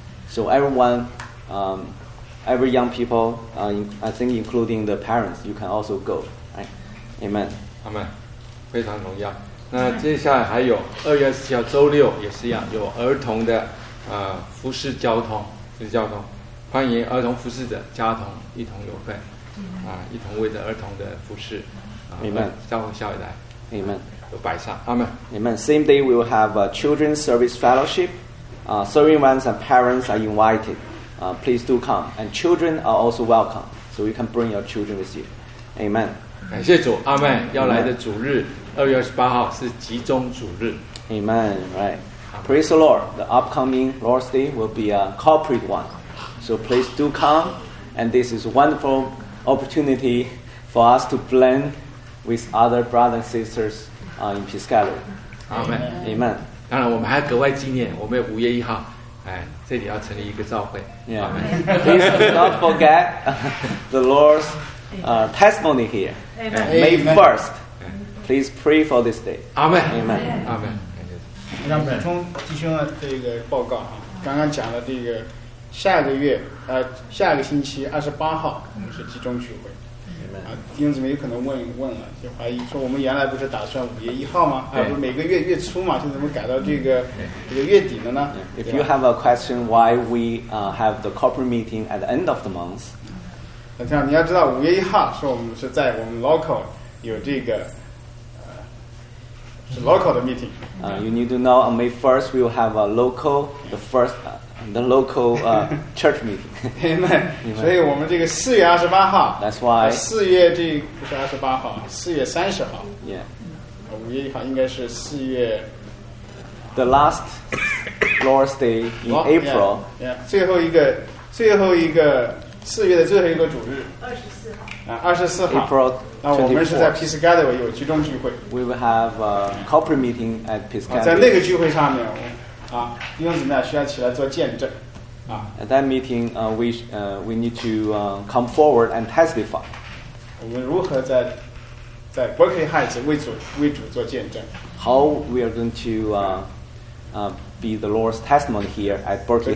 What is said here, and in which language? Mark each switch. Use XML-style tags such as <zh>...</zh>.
<en>So everyone, every young people, I think including the parents, you can also go. Right? Amen.</en> <zh>Amen. 非常重要。那接下来还有2月27号周六也是一样，有儿童的服侍交通，就是交通，欢迎儿童服侍者家童一同有份，一同为着儿童的服侍，</zh> <en>Amen.</en> <zh>交通校友来</zh> <en>，Amen.</en> <zh>有摆上 ，Amen.</zh> <en>Amen. Same day we will have a children's service fellowship. Serving ones and parents are invited. Please do come. And children are also welcome. So you can bring your children with you. Amen.</en> <zh>感谢主，阿们。要来的主日，二月二十八号是集中主日。</zh> <en>Amen. Right. Praise the Lord. The upcoming Lord's Day will be a corporate one. So please do come. And this is a wonderful opportunity for us to blend with other brothers and sisters in Piscataway. Amen. Amen.</en> <zh>当然，我们还格外纪念，我们有五月一号，这里要成立一个召会。</zh> <en>Amen. Please do not forget the Lord's testimony here. Amen. May 1st. Please pray for this day. Amen. Amen. Amen.</en> <zh>让补充弟兄的这个报告啊，刚刚讲的这个下个月下个星期二十八号我们是集中聚会。啊，弟兄姊妹有可能问了，就怀疑说我们原来不是打算五月一号吗？啊，不是每个月月初嘛，就怎么改到这个月底了呢</zh> <en>？If you have a question why we have the corporate meeting at the end of the month，</en> <zh>这样你要知道五月一号是我们是在我们 local 有这个。</zh> <en>It's a local meeting. You need to know on May 1st, we will have a local, the first, the local church meeting.</en> <zh>Amen. 所以我们这个4月28号</zh> <en>That's why.</en> <zh>4月30号。</zh> <en>Yeah.</en> <zh>5月1号应该是4月。</zh> <en>The last Lord's Day in April. Yeah, yeah.</en> <zh>最后一个4月的最后一个主日。 24号。</zh> <en>April</en> <zh>24. 我们是在 Peace Gathering 有集中聚会。</zh> <en>We will have a corporate meeting at Peace Gathering.</en> <zh>在那个聚会上面，弟兄姊妹需要起来做见证。</zh> <en>At that meeting, we need to come forward and testify.</en> <zh>我们如何在 Berkeley Heights 为主做见证</zh> <en>？How we are going to be the Lord's testimony here at Berkeley Heights?</en>